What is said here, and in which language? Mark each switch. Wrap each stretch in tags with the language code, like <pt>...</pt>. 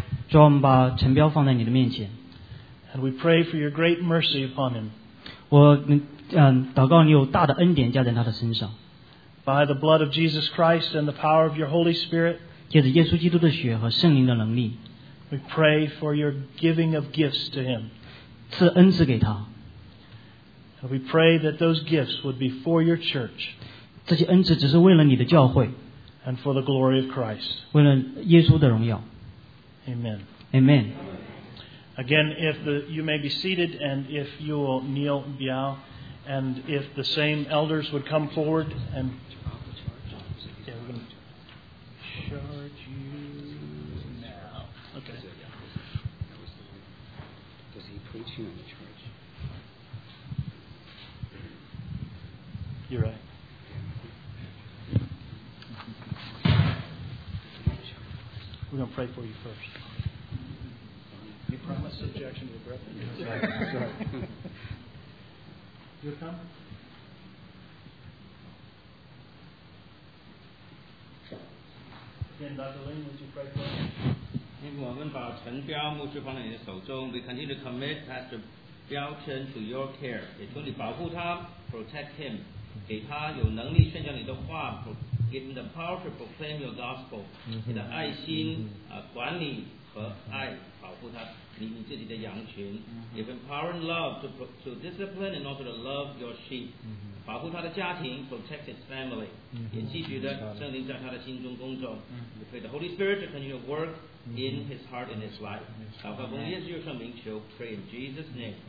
<zh>主要我们把陈彪放在你的面前。</zh> <en>And we pray for your great mercy upon him.</en> <zh>我祷告你有大的恩典加在他的身上。</zh> <en>By the blood of Jesus Christ and the power of your Holy Spirit,</en> <zh>借着耶稣基督的血和圣灵的能力。</zh> <en>We pray for your giving of gifts to him.</en> <zh>赐恩赐给他。</zh> <en>And we pray that those gifts would be for your church.</en> <zh>这些恩赐只是为了你的教会。</zh> <en>And for the glory of Christ.</en> <zh>为了耶稣的荣耀。</zh> <en>Amen. Amen. Again, you may be seated, and if you will kneel, Biao, and if the same elders would come forward and... Yeah, we're going to charge you now. Okay. Does he put you in the charge? You're right. We're going to pray for you first. You promise subjection to the brethren. You'll come? Again, Dr. Lin, would you pray for us?</en> <zh>我们把陈彪牧师放在你的手中。</zh> <en>We continue to commit Pastor Biao Chen to your care.</en> <zh>也求你保护他 ,</zh> <en>protect him,</en> <zh>给他有能力宣讲你的话 ,</zh> <en>give him the power to proclaim your gospel,</en> <zh>你的爱心管理和爱保护他。你自己的羊群</zh> <en>give him power and love to discipline and also to love your sheep</en> <zh>保护他的家庭</zh> <en>protect his family</en> <zh>也继续的圣灵在他的心中工作</zh> <en>we pray the Holy Spirit to continue to work in his heart and his life</en> <zh>祷告奉耶稣圣名求</zh> <en>pray in Jesus name</en>